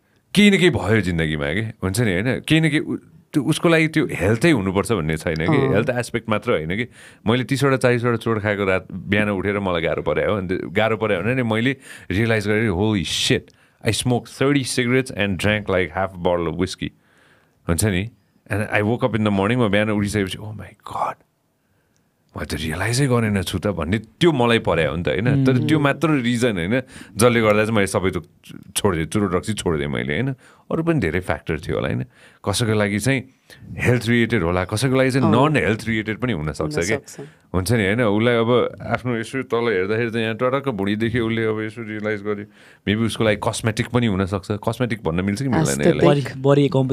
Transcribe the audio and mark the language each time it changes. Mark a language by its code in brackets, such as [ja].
[ne] केही न केही भयो जिन्दगीमा कि हुन्छ नि होइन केही न केही त्यो उसको लागि त्यो हेल्थै हुनुपर्छ भन्ने छैन कि हेल्थ एस्पेक्ट मात्र होइन कि मैले 30-40 चोट खाएको रात बिहान उठेर मलाई गाह्रो पऱ्यो हो अन्त गाह्रो पऱ्यो भने मैले रियलाइज गरेँ [en] Holy shit I smoked 30 cigarettes and drank like half a bottle of whiskey. And I woke up in the morning, my man would say, oh my God. [ne] मैले त रियलाइजै गरेन छु त भन्ने त्यो मलाई पर्यायो नि त होइन तर त्यो मात्र रिजन होइन जसले गर्दा चाहिँ मैले सबै छोडिदिएँ चुरो ड्रग्स चाहिँ छोडिदिएँ मैले होइन अरू पनि धेरै फ्याक्टर थियो होला होइन कसैको लागि चाहिँ हेल्थ रिलेटेड होला कसैको लागि चाहिँ नन हेल्थ रिलेटेड पनि हुनसक्छ कि हुन्छ नि होइन उसलाई अब आफ्नो यसरी तल हेर्दाखेरि चाहिँ यहाँ टडक्क भुँडीदेखि उसले अब यसो रियलाइज गर्यो मेबी उसको लागि कस्मेटिक पनि हुनसक्छ कस्मेटिक भन्न मिल्छ कि मिल्दैन